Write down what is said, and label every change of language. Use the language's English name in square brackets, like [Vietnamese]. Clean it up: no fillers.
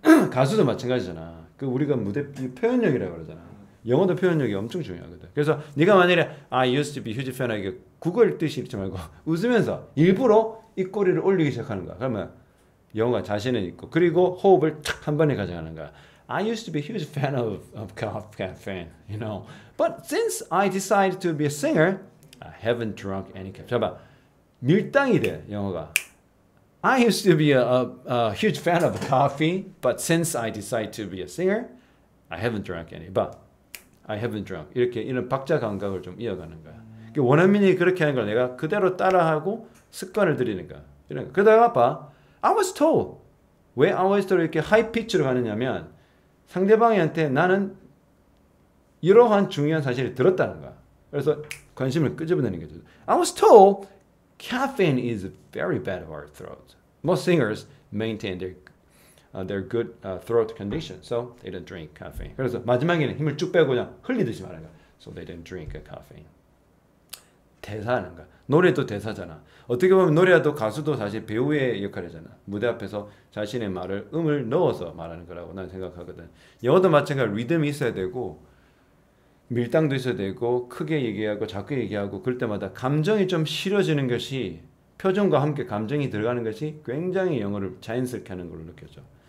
[Korean] 가수도 마찬가지잖아. 그 우리가 무대 표현력이라고 그러잖아. 영어도 표현력이 엄청 중요하거든. 그래서 네가 만약에 [English] I used to be huge fan [Korean] 이게 구걸 뜻이 있지 말고 웃으면서 일부러 이 꼬리를 올리기 시작하는 거야. 그러면 영어가 자신은 있고 그리고 호흡을 탁한 번에 가져가는 거야. [English] I used to be a huge fan of caffeine, you know. But since I decided to be a singer, I haven't drunk any caffeine. [Korean] 자 봐. 밀당이 돼, 영어가. [English] I used to be a huge fan of coffee, but since I decided to be a singer, I haven't drunk any. 봐. I haven't drunk. [Korean] 이렇게 이런 박자 감각을 좀 이어가는 거야. 원어민이 그렇게 하는 걸 내가 그대로 따라하고 습관을 들이는 거야. 이런 거. 그다음에 봐. [English] I was told. [Korean] 왜 [English] I was told [Korean] 이렇게 하이 피치로 가느냐면 상대방한테 나는 이러한 중요한 사실을 들었다는 거야. 그래서 관심을 끄집어내는 거죠. [English] I was told caffeine is very bad for our throats. Most singers maintain their good throat condition, so they don't drink caffeine. [Korean] 그래서 마지막에는 힘을 쭉 빼고 그냥 흘리듯이 말하는 거야. [English] So they don't drink caffeine. [Korean] 대사하는 거야. 노래도 대사잖아. 어떻게 보면 노래도 가수도 사실 배우의 역할이잖아. 무대 앞에서 자신의 말을 음을 넣어서 말하는 거라고 난 생각하거든. 영어도 마찬가지로 리듬이 있어야 되고 밀당도 있어야 되고 크게 얘기하고 작게 얘기하고 그럴 때마다 감정이 좀 실어지는 것이 표정과 함께 감정이 들어가는 것이 굉장히 영어를 자연스럽게 하는 걸로 느껴져.